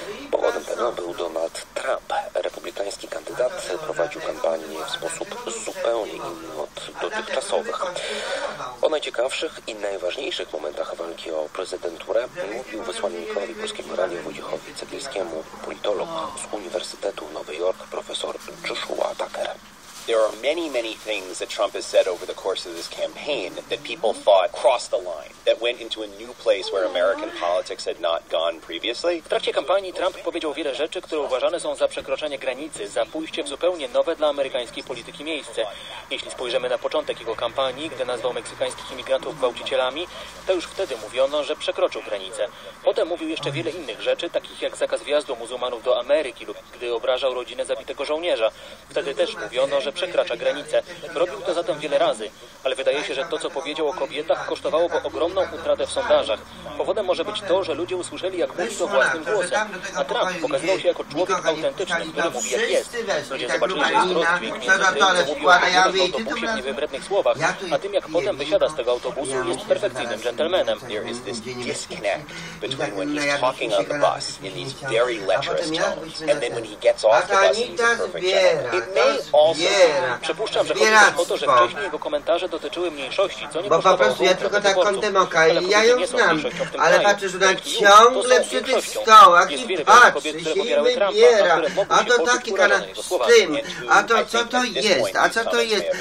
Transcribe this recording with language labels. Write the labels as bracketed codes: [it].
[pl] Powodem tego był Donald Trump. Republikański kandydat prowadził kampanię w sposób zupełnie inny od dotychczasowych. O najciekawszych i najważniejszych momentach walki o prezydenturę mówił wysłannikowi Polskiego Radia Wojciechowi Cebielskiemu politolog z Uniwersytetu Nowy Jork, profesor Joshua Tucker. [en] There are many, many things that Trump has said over the course of this campaign that people thought crossed the line, that went into a new place where American politics had not gone previously. [pl] W trakcie kampanii Trump powiedział wiele rzeczy, które uważane są za przekroczenie granicy, za pójście w zupełnie nowe dla amerykańskiej polityki miejsce. Jeśli spojrzymy na początek jego kampanii, gdy nazwał meksykańskich imigrantów gwałcicielami, to już wtedy mówiono, że przekroczył granicę. Potem mówił jeszcze wiele innych rzeczy, takich jak zakaz wjazdu muzułmanów do Ameryki lub gdy obrażał rodzinę zabitego żołnierza. Wtedy też mówiono, że przekracza granicę. Robił to zatem wiele razy, ale wydaje się, że to, co powiedział o kobietach, kosztowało go ogromną utratę w sondażach. Powodem może być to, że ludzie usłyszeli, jak mówi to własnym głosem, a Trump pokazywał się jako człowiek autentyczny, który mówi jak jest. Ludzie zobaczyli, że jest rozdźwięk między tym, co mówił o kobietach w autobusie w niewybrednych słowach, a tym, jak potem wysiada z tego autobusu, jest perfekcyjnym dżentelmenem. [en] There is this disconnect between when he's talking on the bus in these very lecherous tones and then when he gets off the bus he's a perfect gentleman. [pl] Przypuszczam, że chodzi o to, że wcześniej jego komentarze dotyczyły mniejszości, co nie kosztowało. Bo po prostu ja tylko tak kątem oka i ja ją znam. Ale patrzę, że tak ciągle przy tych stołach i patrzy się i wybiera. A to taki kanał z tym. A to co to jest? A co to jest?